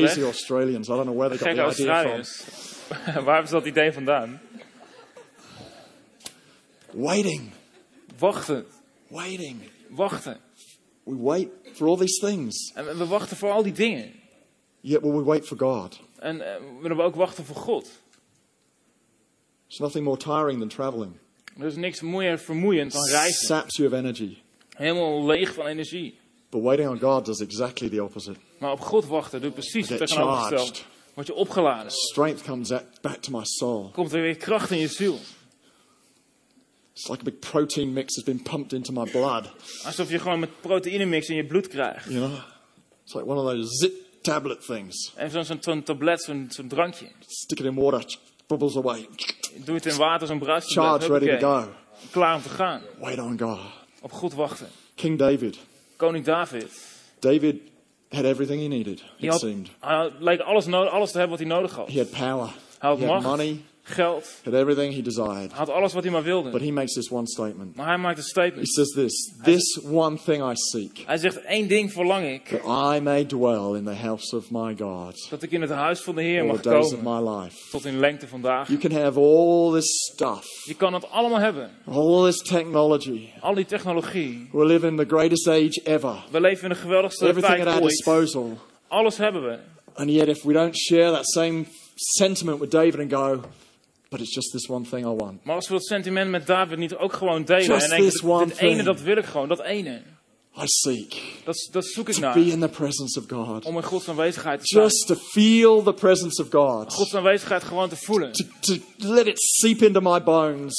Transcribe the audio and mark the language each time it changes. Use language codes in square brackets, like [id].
[en] Crazy Australians. I don't know where they got the idea from. [nl] Waar is dat idee vandaan? [en] Waiting. [nl] Wachten. [en] Waiting. [nl] Wachten. [en] We wait for all these things. [nl] En we wachten voor al die dingen. [en] Yet will we wait for God. [nl] En we ook wachten voor God. [en] It's nothing more tiring than traveling. [nl] Er is niks meer vermoeiend dan reizen. [en] Saps you of energy. [nl] Helemaal leeg van energie. [en] But waiting on God does exactly the opposite. [nl] Maar op God wachten doet precies het tegenovergestelde. Word je opgeladen. [en] Strength comes back to my soul. [nl] Komt er weer kracht in je ziel. [en] It's like a big protein mix has been pumped into my blood. [nl] Alsof je gewoon met proteïne mix in je bloed krijgt. [en] You know, it's like one of those zip tablet things. [nl] En zo'n tablet, zo'n drankje. [en] Stick it in water, bubbles away. [nl] Doe het in water, zo'n bruisje. [en] Charge, ready to go. [nl] Klaar om te gaan. [en] Wait on God. [nl] Op God wachten. [en] King David. [nl] Koning David. [en] David had everything he needed, it seemed. [nl] Hij leek alles te hebben wat hij nodig had. [en] He had power. [nl] Hij had macht. [en] He had money. [nl] Geld. [en] Had everything he desired. [nl] Had alles wat hij maar wilde. [en] But he makes this one statement. [nl] Maar hij maakt een statement. [en] He says this one thing I seek. [nl] Hij zegt één ding verlang ik. [en] That I may dwell in the house of my God. [nl] Dat ik in het huis van de Heer mag komen. [en] All the days of my life. [nl] Tot in lengte vandaag. [en] You can have all this stuff. [nl] Je kan het allemaal hebben. [en] All this technology. [nl] Al die technologie. [en] We live in the greatest age ever. [nl] We leven in de geweldigste tijd ooit. [en] Everything at our disposal. [nl] Alles hebben we. [en] And yet if we don't share that same sentiment with David and go, but it's just this one thing I want. [nl] Maar als we dat sentiment met David niet ook gewoon delen [en] just [nl] en denken, [en] this one [nl] dit ene [en] thing. [nl] Dat wil ik gewoon, dat ene. [en] I seek. [nl] Dat zoek ik [en] to [nl] naar. [en] Be in the presence of God. [nl] Om in Gods aanwezigheid te zijn. [en] Just to feel the presence of God. [nl] Gods aanwezigheid gewoon te voelen. [en] To let it seep into my bones.